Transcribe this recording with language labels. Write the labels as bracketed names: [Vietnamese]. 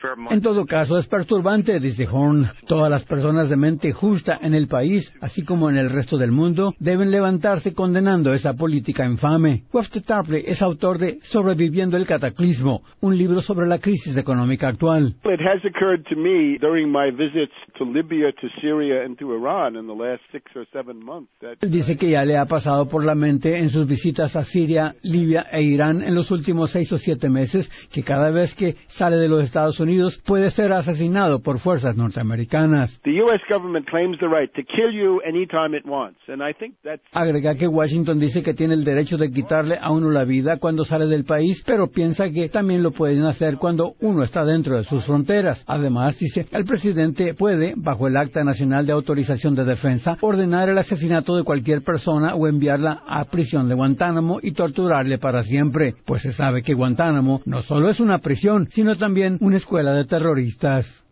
[Spanish] En todo caso, es perturbante, dice Horn. Todas las personas de mente justa en el país, así como en el resto del mundo, deben levantarse condenando esa política infame. Wafter Tarpley es autor de Sobreviviendo el Cataclismo, un libro sobre la crisis económica actual. [English] It has occurred to me during my visits to Libya, to Syria, and to Iran in the last 6 or 7 months. [Spanish] Él dice que ya le ha pasado por la mente en sus visitas a Siria, Libia e Irán en los últimos 6 o 7 meses que cada vez que sale de los Estados Unidos puede ser asesinado por fuerzas norteamericanas. [English] The U.S. government claims the right to kill you anytime it wants, and I think that. [Spanish] Agrega que Washington dice que tiene el derecho de quitarle a uno la vida cuando sale del país, pero piensa que también lo pueden hacer cuando uno está dentro de sus fronteras. Además, dice, el presidente puede, bajo el Acta Nacional de Autorización de Defensa, ordenar el asesinato de cualquier persona o enviarla a prisión de Guantánamo y torturarle para siempre, pues se sabe que Guantánamo no solo es una prisión, sino también una escuela de terroristas.